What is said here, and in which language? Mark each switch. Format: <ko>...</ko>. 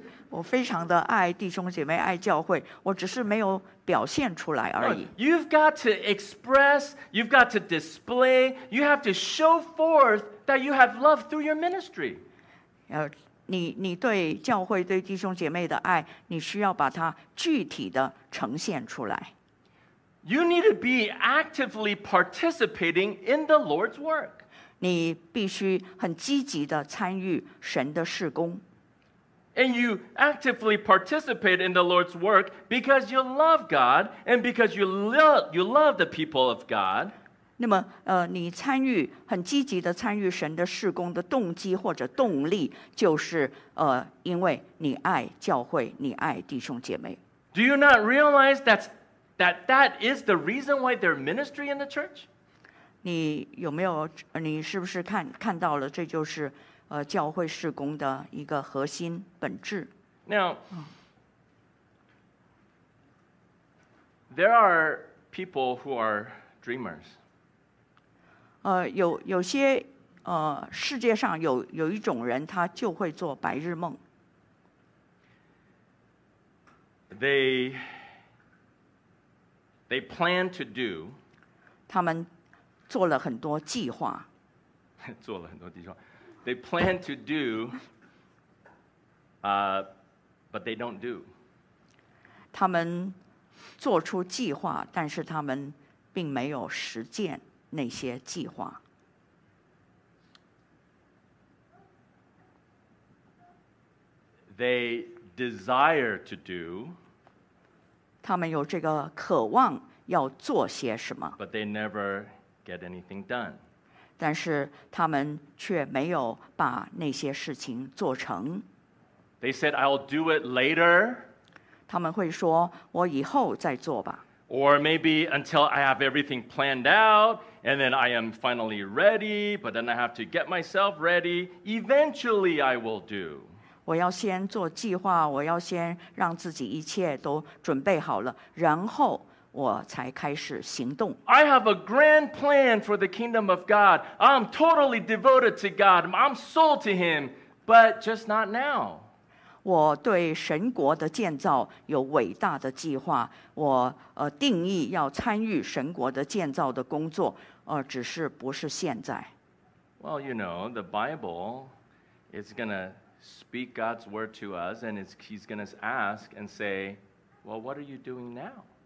<zh>我非常的爱弟兄姐妹爱教会我只是没有表现出来而已。</zh> <en>No, you've got to express, you've got to display, you have to show forth that you have love through your ministry.</en> <zh>你对教会对弟兄姐妹的爱你需要把它具体的呈现出来。</zh> <en>You need to be actively participating in the Lord's work.</en> <zh>你必须很积极的参与神的事工。</zh> <en>And you actively participate in the Lord's work because you love God and because you love the people of God.</en> <zh>那么你参与很积极的参与神的事工的动机或者动力就是因为你爱教会你爱弟兄姐妹。</zh> <en>Do you not realize that is the reason why they're ministry in the church?</en> <zh>你有没有你是不是看到了这就是教会事工的一个核心本质。</zh> <en>Now, there are people who are dreamers.</en> <zh>有些世界上有一种人，他就会做白日梦。</zh> <en>They plan to do.</en> <zh>他们做了很多计划。做了很多计划。</zh> <en>They plan to do, but they don't do.</en> <zh>他们做出计划，但是他们并没有实践那些计划。</zh> <en>They desire to do.</en> <zh>他们有这个渴望要做些什么。</zh> <en>But they never get anything done.</en> <zh>但是他们却没有把那些事情做成。</zh> <en>They said, I'll do it later.</en> <zh>他们会说，我以后再做吧。</zh> <en>Or maybe until I have everything planned out, and then I am finally ready, but then I have to get myself ready. Eventually I will do.</en> <zh>我要先做计划，我要先让自己一切都准备好了，然后我才开始行动。</zh> <en>I have a grand plan for the kingdom of God. I'm totally devoted to God. I'm sold to Him, but just not now.</en> <zh>我对神国的建造有伟大的计划。我定义要参与神国的建造的工作，只是不是现在。</zh> <en>Well, you know, the Bible is going to speak God's word to us, and He's going to ask and say, "Well, what are you doing now?"</en>